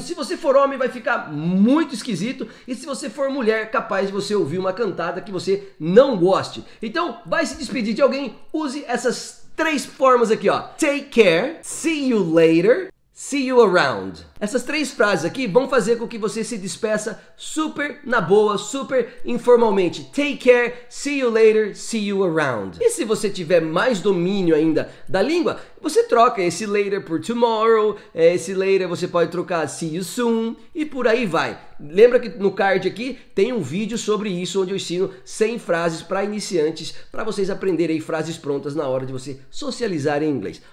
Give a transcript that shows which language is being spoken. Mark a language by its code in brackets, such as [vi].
[pt] Se você for homem, vai ficar muito esquisito. E se você for mulher, capaz de você ouvir uma cantada que você não goste. Então, vai se despedir de alguém, use essas três formas aqui, ó. [en] Take care, see you later, see you around. [pt] Essas três frases aqui vão fazer com que você se despeça super na boa, super informalmente. [en] Take care, see you later, see you around. [pt] E se você tiver mais domínio ainda da língua, você troca esse later por tomorrow, esse later você pode trocar see you soon e por aí vai. Lembra que no card aqui tem um vídeo sobre isso onde eu ensino 100 frases para iniciantes, para vocês aprenderem frases prontas na hora de você socializar em inglês.